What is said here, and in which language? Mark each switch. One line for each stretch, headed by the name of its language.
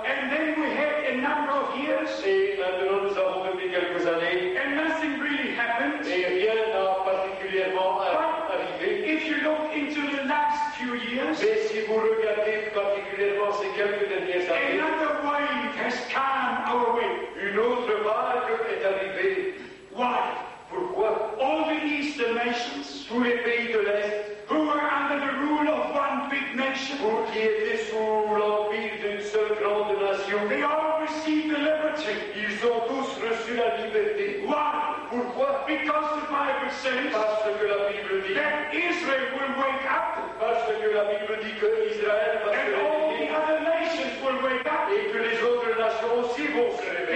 English: And then we had a number of years.
French: Et maintenant nous avons depuis quelques années.
English: And nothing really happened.
French: Et rien n'a particulièrement arrivé.
English: If you look into the last few years,
French: mais si vous regardez particulièrement ces quelques dernières années,
English: another wave has come our way.
French: Une autre vague est arrivée.
English: Why?
French: Pourquoi?
English: All the eastern nations,
French: tous les pays de l'Est,
English: who were under the rule of one big nation,
French: ou qui étaient sous l'empire d'une seule grande nation,
English: they all received the liberty.
French: Ils ont tous reçu la liberté.
English: Why?
French: Pourquoi?
English: Because the Bible says,
French: parce que la Bible dit,
English: that Israel will wake up,
French: parce que la Bible dit que Israël va se réveiller,
English: and all the other nations will wake up,
French: et que les autres nations aussi vont se réveiller.